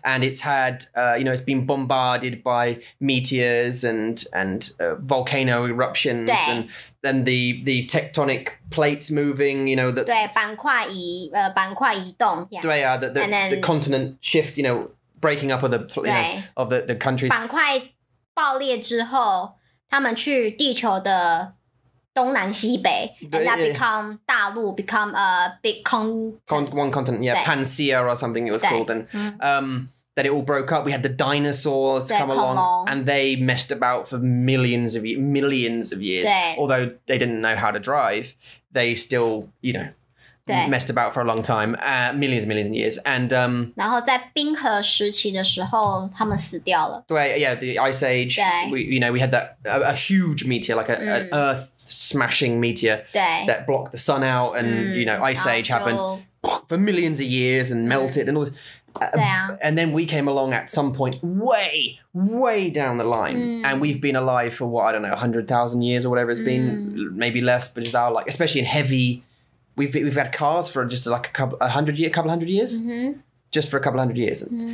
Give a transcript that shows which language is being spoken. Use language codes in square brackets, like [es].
[en] And it's had, you know, it's been bombarded by meteors and volcano eruptions and the tectonic plates moving, you know. [zh] 对,板块移动. [en] Yeah. The continent shift, you know, breaking up of the, you know, of the countries. [zh] 板块爆裂之后,他们去地球的... 东南西北, [en] and that become 大陆, become a big continent. One continent, yeah, Pansia or something it was called. And that it all broke up. We had the dinosaurs come along, and they messed about for millions of years. Although they didn't know how to drive, they still, you know, messed about for a long time, millions and millions of years. And [zh] 然后在冰河时期的时候,他们死掉了. [en] 对, yeah, the Ice Age, we had that a huge meteor, like an Earth smashing meteor that blocked the sun out, and you know, Ice Age happened for millions of years and melted and all this. And then we came along at some point way, way down the line, and we've been alive for what, I don't know, 100,000 years or whatever it's been, maybe less, but just our, like, especially in heavy, we've had cars for just like a couple hundred years, just for a couple hundred years.